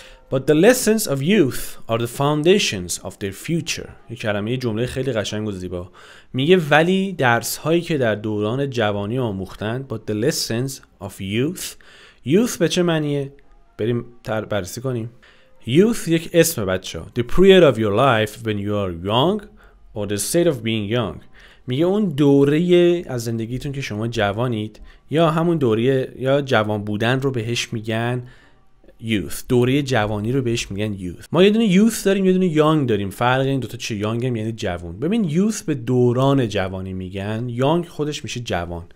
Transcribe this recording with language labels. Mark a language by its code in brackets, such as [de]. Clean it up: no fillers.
[en] But the lessons of youth are the foundations of their future. [fa] یه کلمه، یه جمله خیلی قشنگ و زیبا میگه ولی درس هایی که در دوران جوانی آموختن. [en] But the lessons of youth. [fa] Youth به چه معنیه؟ بریم بررسی کنیم. Youth یک اسم بچه ها. [en] The period of your life when you are young or the state of being young. [fa] میگه اون دوره از زندگیتون که شما جوانید یا همون دوره یا جوان بودن رو بهش میگن youth. دوره جوانی رو بهش میگن youth. ما یه دونه youth داریم یه دونه young داریم. فرق این دوتا چه؟ young هم یعنی جوان. ببین youth به دوران جوانی میگن، young خودش میشه جوان.